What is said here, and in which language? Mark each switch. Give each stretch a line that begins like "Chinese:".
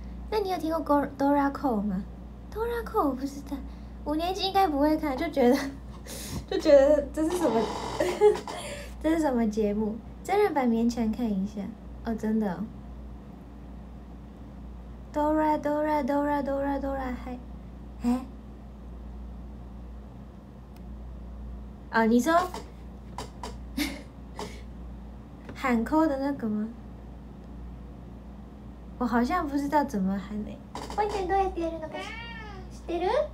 Chinese: 那你有听过 Dora Cole 吗？Dora Cole 我不知道，五年级应该不会看，就觉得这是什么，这是什么节目？真人版勉强看一下，哦，真的、哦。 Dora Dora Dora Dora Dora 还，哎、欸，啊、哦，你说。喊call的那个吗？我好像不知道怎么喊呢、欸。
Japanese: ワンちゃんどうやってやるのか知ってる？